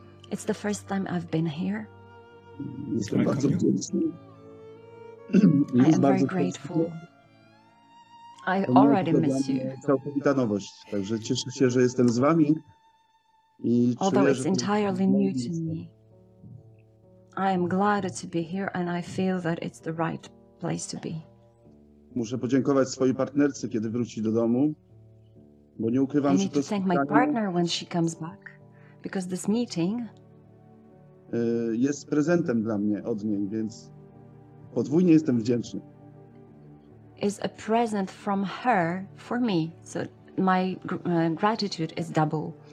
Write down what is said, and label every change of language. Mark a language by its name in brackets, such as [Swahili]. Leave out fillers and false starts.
[English] It's the first time I've been here. [Polish] Jestem bardzo wdzięczny. [English] I am very grateful. I already miss you. [Polish] Całkowita nowość, także cieszę się, że jestem z wami. [English] Although it's entirely new to me, I am glad to be here and I feel that it's the right place to be. [Polish] Muszę podziękować swojej partnerce, kiedy wróci do domu, bo nie ukrywam, że to spotkanie... [English] I need to thank my partner when she comes back, because this meeting... [Polish] jest prezentem dla mnie od niej, więc podwójnie jestem wdzięczny. [English] Is a present from her for me, so my gratitude is double.